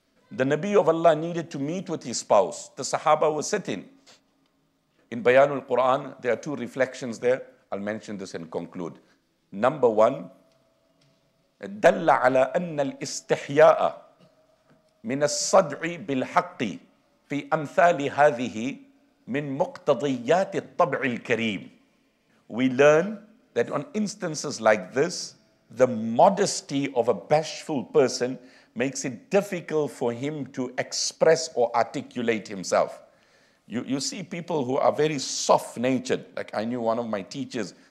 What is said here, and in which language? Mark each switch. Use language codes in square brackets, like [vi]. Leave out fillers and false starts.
[en] The Nabi of Allah needed to meet with his spouse. The Sahaba was sitting. In Bayanul Quran, there are two reflections there. I'll mention this and conclude. Number one, [ar] دل على أن الاستحياء من الصدع بالحق في أمثال هذه من مقتضيات الطبع الكريم. [en] We learn that on instances like this, the modesty of a bashful person makes it difficult for him to express or articulate himself. You see people who are very soft-natured. Like I knew one of my teachers.